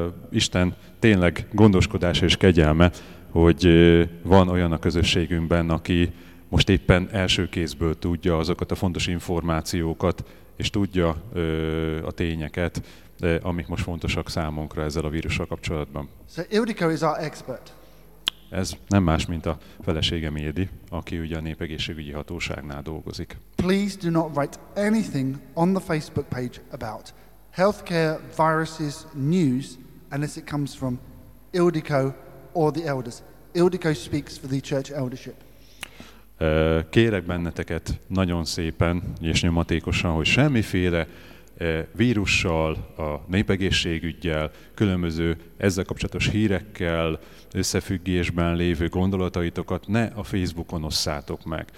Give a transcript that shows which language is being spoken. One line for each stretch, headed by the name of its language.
Hungarian: Isten tényleg gondoskodása és kegyelme, hogy van olyan a közösségünkben, aki most éppen első kézből tudja azokat a fontos információkat, és tudja a tényeket, amik most fontosak számunkra ezzel a vírussal kapcsolatban.
English: So Ildikó is our expert.
Hungarian: Ez nem más, mint a feleségem Ildi, aki ugye a népegészségügyi hatóságnál dolgozik.
English: Please do not write anything on the Facebook page about healthcare viruses news unless it comes from Ildikó or the elders. Ildikó speaks for the church eldership.
Hungarian: Kérek benneteket nagyon szépen és nyomatékosan, hogy semmiféle vírussal, a népegészségügyel, különböző ezzel kapcsolatos hírekkel, összefüggésben lévő gondolataitokat ne a Facebookon osszátok meg.